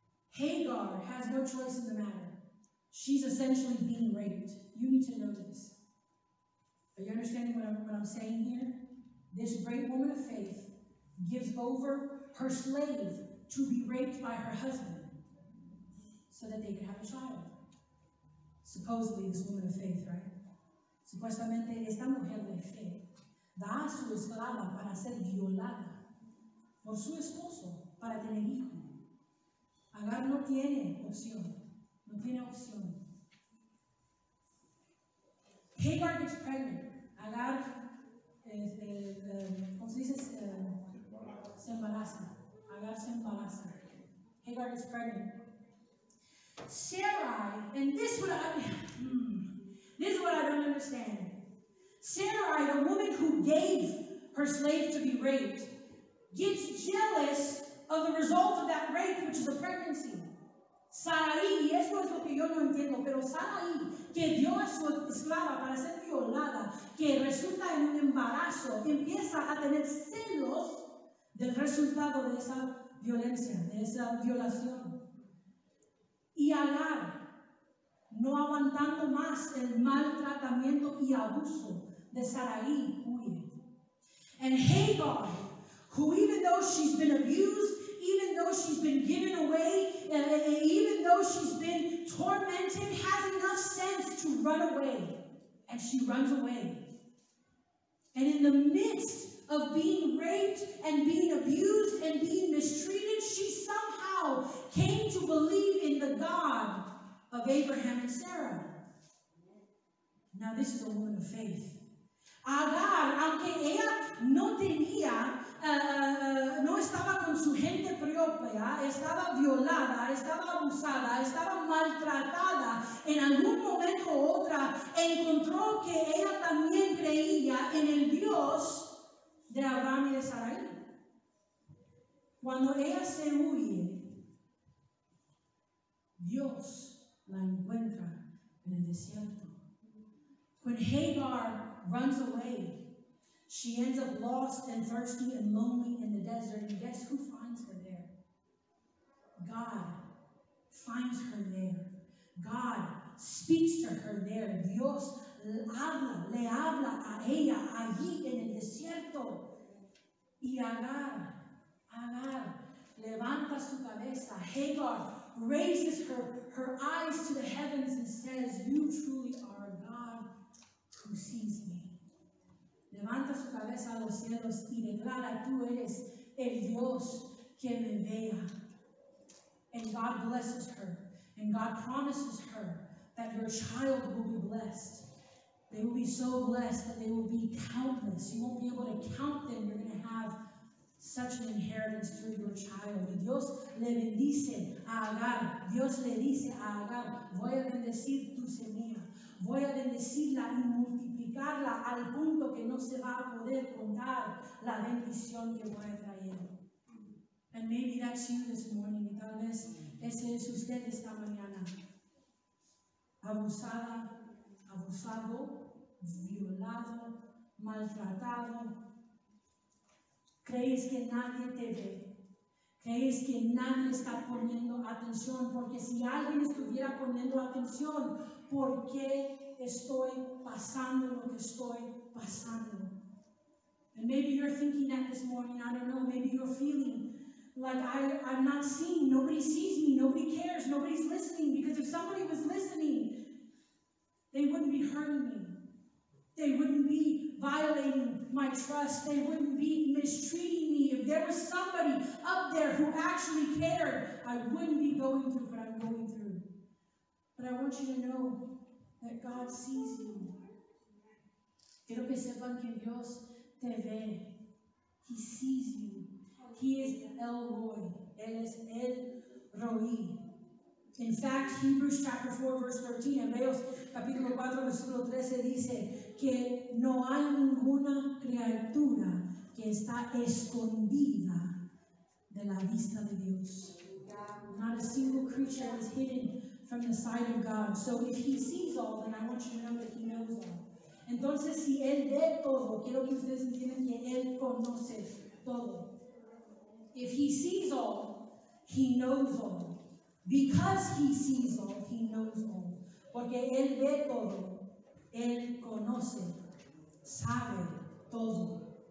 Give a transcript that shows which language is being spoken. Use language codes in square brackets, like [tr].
[en] Hagar has no choice in the matter. She's essentially being raped. You need to know this. Are you understanding what I'm saying here? This great woman of faith gives over her slave to be raped by her husband so that they could have a child. Supposedly this woman of faith, right? [es] Supuestamente esta mujer de fe da a su esclava para ser violada por su esposo para tener hijo. Agar no tiene opción. No tiene opción. [en] Hagar gets pregnant. [es] Agar, ¿cómo se dice? Se embaraza. Agar se embaraza. [en] Hagar gets pregnant. Sarai, and this is what I don't understand. Sarai, the woman who gave her slave to be raped, gets jealous of the result of that rape, which is a pregnancy. [es] Sarai, y esto es lo que yo no entiendo, pero Sarai, que dio a su esclava para ser violada, que resulta en un embarazo, empieza a tener celos del resultado de esa violencia, de esa violación. Y Agar, no aguantando más el maltratamiento y abuso de Sarai, huye. [en] And Hagar, who even though she's been abused, even though she's been given away, even though she's been tormented, has enough sense to run away. And she runs away. And in the midst of being raped and being abused and being mistreated, she somehow came to believe in the God of Abraham and Sarah. Now this is a woman of faith. [es] Agar, aunque ella no tenía, no estaba con su gente propia, estaba violada, estaba abusada, estaba maltratada en algún momento u otra, encontró que ella también creía en el Dios de Abraham y de Sarai. Cuando ella se huye, Dios la encuentra en el desierto. [en] When Hagar runs away, she ends up lost and thirsty and lonely in the desert. And guess who finds her there? God finds her there. God speaks to her there. [es] Dios habla, le habla a ella allí en el desierto. Y Agar, Agar, levanta su cabeza. [en] Hagar raises her eyes to the heavens and says, "You truly are a God who sees me." [es] Levanta su cabeza a los cielos y declara, tú eres el Dios que me vea. [en] And God blesses her. And God promises her that her child will be blessed. They will be so blessed that they will be countless. You won't be able to count them. You're going to have such an inheritance through your child. [es] Y Dios le bendice a Agar. Dios le dice a Agar, voy a bendecir tu semilla. Voy a bendecirla y multiplicarla al punto que no se va a poder contar la bendición que voy a traer. [en] And maybe that's you this morning. [es] Y tal vez ese es usted esta mañana. Abusada, abusado, violado, maltratado. ¿Crees que nadie te ve? ¿Crees que nadie está poniendo atención? Porque si alguien estuviera poniendo atención, ¿por qué estoy pasando lo que estoy pasando? [en] And maybe you're thinking that this morning, I don't know, maybe you're feeling like I'm not seen, nobody sees me, nobody cares, nobody's listening, because if somebody was listening, they wouldn't be hurting me. They wouldn't be violating my trust. They wouldn't be mistreating me. If there was somebody up there who actually cared, I wouldn't be going through what I'm going through. But I want you to know that God sees you. [es] Quiero que sepan que Dios te ve. [en] He sees you. He is El Roi. [es] Él es El Roi. [en] In fact, Hebrews chapter 4, verse 13, [es] Hebreos capítulo 4, versículo 13, dice que no hay ninguna criatura que está escondida de la vista de Dios. [en] Not a single creature is hidden from the sight of God. So if he sees all, then I want you to know that he knows all. Entonces, si él ve todo, quiero que ustedes entiendan que él conoce todo. If he sees all, he knows all. Because he sees all, he knows all. [es] Porque él ve todo, él conoce, sabe todo.